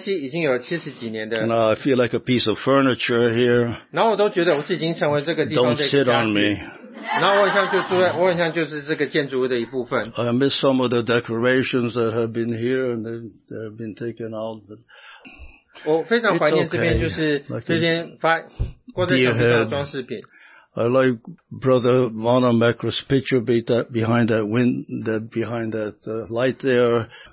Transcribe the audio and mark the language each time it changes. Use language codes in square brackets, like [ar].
[zh] 我跟这个营地的关系已经有70几年的。 [en] Now I feel like a piece of furniture here. [zh] 然后我都觉得我自己已经成为这个地方的家具。 [en] Don't sit on me. [zh] 然后我很像就是这个建筑物的一部分。 [en] I miss some of the decorations that have been here and they have been taken out. But [zh] 我非常怀念这边，就是这边挂在墙壁上的装饰品。 [en] I like Brother Vanamekra's picture behind that wind, that behind that light there.